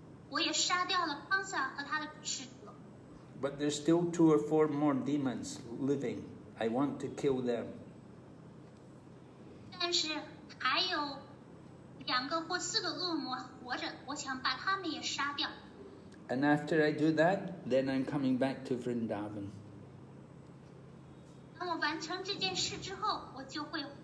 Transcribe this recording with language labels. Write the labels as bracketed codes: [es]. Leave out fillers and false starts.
[zh] 我也杀掉了康萨和他的使者。 [en] But there's still two or four more demons living. I want to kill them. [zh] 但是还有两个或四个恶魔活着，我想把他们也杀掉。 [en] And after I do that, then I'm coming back to Vrindavan. [zh] 当我完成这件事之后，我就会。